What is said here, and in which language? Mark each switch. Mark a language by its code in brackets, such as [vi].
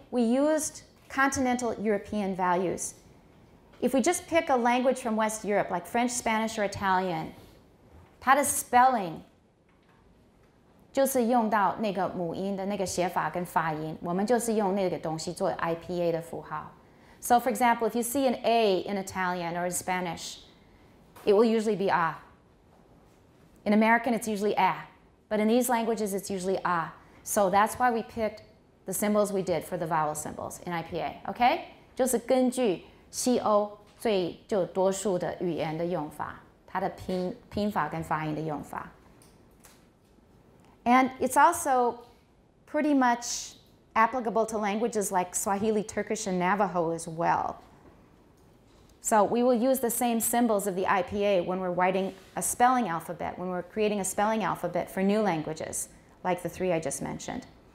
[en] We used continental European values. If we just pick a language from West Europe, like French, Spanish, or Italian, [zh] 它的 spelling 就是用到那个母音的那个写法跟发音，我们就是用那个东西做IPA的符号。 [en] So for example, if you see an A in Italian or in Spanish, it will usually be A. In American, it's usually A. But in these languages, it's usually A. So that's why we picked the symbols we did for the vowel symbols in IPA, okay? [zh] 就是根据西欧最多数的语言的用法，它的拼法跟发音的用法。 [en] And it's also pretty much applicable to languages like Swahili, Turkish, and Navajo as well. So we will use the same symbols of the IPA when we're writing a spelling alphabet, when we're creating a spelling alphabet for new languages, like the three I just mentioned.